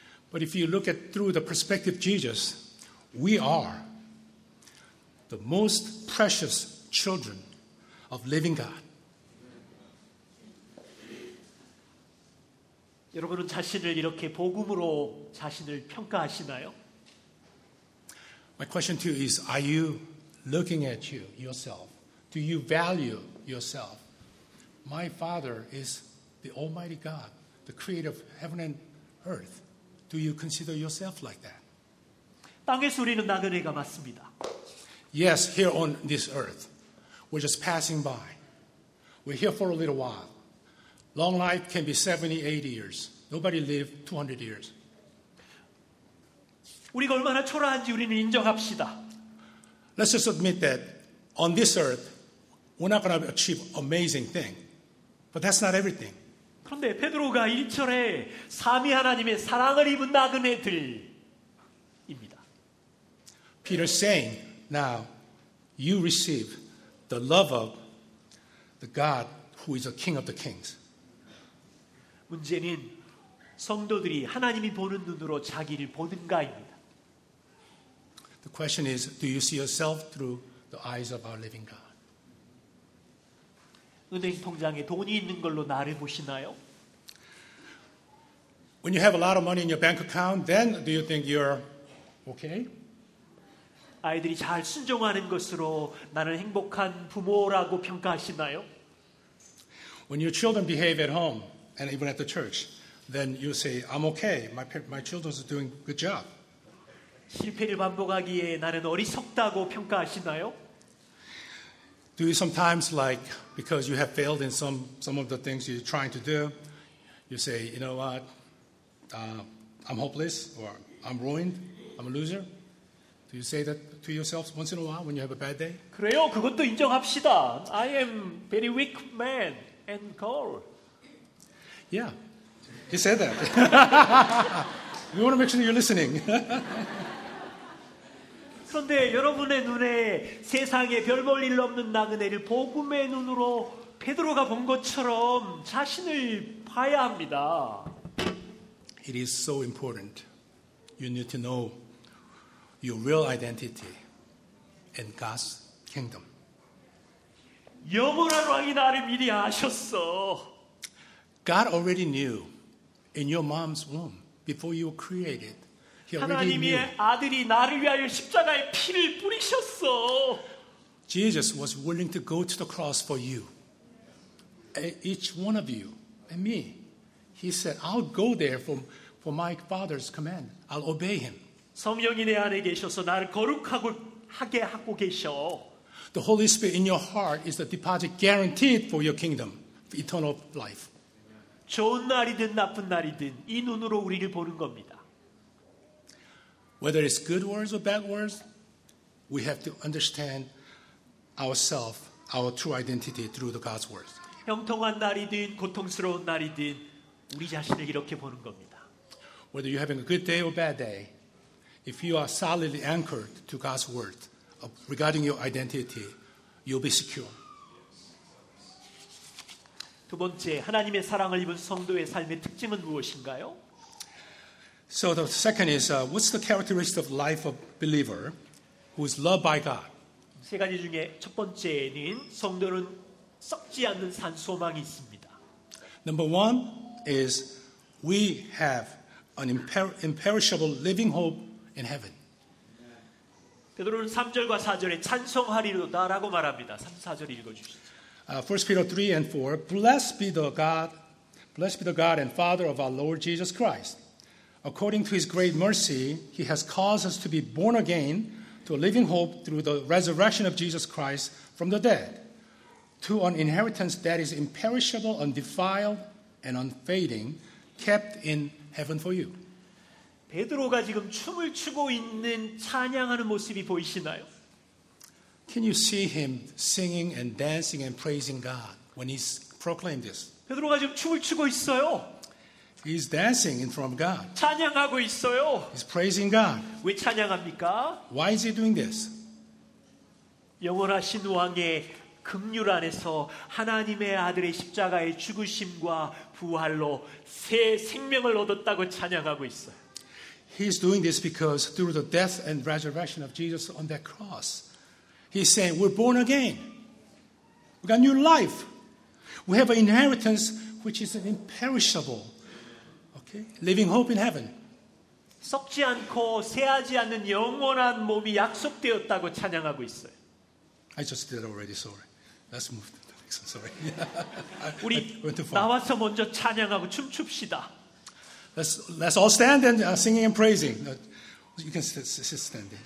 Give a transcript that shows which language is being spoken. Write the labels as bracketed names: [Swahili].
[English] But if you look at through the perspective of Jesus, we are the most precious children of living God. [Korean] 여러분은 자신을 이렇게 복음으로 자신을 평가하시나요? [English] My question to you is, are you looking at you, yourself? Do you value yourself? My Father is the Almighty God, the creator of heaven and earth. Do you consider yourself like that? [Korean] 땅에서 우리는 나그네가 맞습니다. [English] Yes, here on this earth. We're just passing by. We're here for a little while. Long life can be 70, 80 years. Nobody lived 200 years. [Korean] 우리가 얼마나 초라한지 우리는 인정합시다. [English] Let's just admit that on this earth, we're not going to achieve amazing thing. But that's not everything. [Korean] 그런데 베드로가 1절에 삼위 하나님의 사랑을 입은 나그네들입니다. [English] Peter's saying, now you receive the love of the God who is the King of the Kings. [Korean] 문제는 성도들이 하나님이 보는 눈으로 자기를 보는가입니다. [English] The question is, do you see yourself through the eyes of our living God? [Korean] 은행 통장에 돈이 있는 걸로 나를 보시나요? [English] When you have a lot of money in your bank account, then do you think you're okay? [Korean] 아이들이 잘 순종하는 것으로 나는 행복한 부모라고 평가하시나요? [English] When your children behave at home and even at the church, then you say, I'm okay. My children are doing good job. [Korean] 실패를 반복하기에 나는 어리석다고 평가하시나요? [English] Do you sometimes like because you have failed in some of the things you're trying to do, you say, you know what, I'm hopeless or I'm ruined, I'm a loser? Do you say that to yourself once in a while when you have a bad day? [Korean] 그래요, 그것도 인정합시다. [English] I am very weak man and girl. Yeah, he said that. We want to make sure you're listening. [Korean] 그런데 여러분의 눈에 세상에 별 볼 일 없는 나그네를 복음의 눈으로 베드로가 본 것처럼 자신을 봐야 합니다. [English] It is so important. You need to know your real identity and God's kingdom. [Korean] 영원한 왕이 나를 미리 아셨어. [English] God already knew in your mom's womb before you were created. [Korean] 하나님의 아들이 나를 위하여 십자가에 피를 뿌리셨어. [English] Jesus was willing to go to the cross for you. Each one of you and me. He said, I'll go there for my Father's command. I'll obey him. [Korean] 성령이 내 안에 계셔서 나를 거룩하고 하게 하고 계셔. [English] The Holy Spirit in your heart is the deposit guaranteed for your kingdom, for eternal life. [Korean] 좋은 날이든 나쁜 날이든 이 눈으로 우리를 보는 겁니다. [English] whether it's good words or bad words, we have to understand ourselves, our true identity through the God's words. [Korean] 형통한 날이든 고통스러운 날이든 우리 자신을 이렇게 보는 겁니다. [English] Whether you're having a good day or bad day, if you are solidly anchored to God's word regarding your identity, you'll be secure. [Korean] 두 번째, 하나님의 사랑을 입은 성도의 삶의 특징은 무엇인가요? [English] So the second is, what's the characteristic of life of a believer who is loved by God? [Korean] 세 가지 중에 첫 번째는 성도는 썩지 않는 산 소망이 있습니다. [English] Number one is we have an imperishable living hope in heaven. [Korean] 베드로는 3절과 4절에 찬송하리로다라고 말합니다. 3, 4절 읽어주시죠. [English] First Peter 3 and 4, Blessed be the God and Father of our Lord Jesus Christ. According to his great mercy, he has caused us to be born again to a living hope through the resurrection of Jesus Christ from the dead, to an inheritance that is imperishable, undefiled, and unfading, kept in heaven for you. [Korean] 베드로가 지금 춤을 추고 있는 찬양하는 모습이 보이시나요? [English] Can you see him singing and dancing and praising God when he's proclaimed this? [Korean] 베드로가 지금 춤을 추고 있어요. [English] He's dancing in front of God. [Korean] 찬양하고 있어요. [English] He's praising God. [Korean] 왜 찬양합니까? [English] Why is he doing this? [Korean] 영원하신 왕의 긍휼 안에서 하나님의 아들의 십자가의 죽으심과 부활로 새 생명을 얻었다고 찬양하고 있어요. [English] He's doing this because through the death and resurrection of Jesus on that cross, He's saying, we're born again. We got new life. We have an inheritance which is an imperishable. Okay? Living hope in heaven. [Korean] 썩지 않고 새하지 않는 영원한 몸이 약속되었다고 찬양하고 있어요. [English] I just did already, sorry. Let's move to the next one, sorry. [Korean] 우리 나와서 먼저 찬양하고 춤춥시다. [English] Let's all stand and singing and praising. You can sit standing.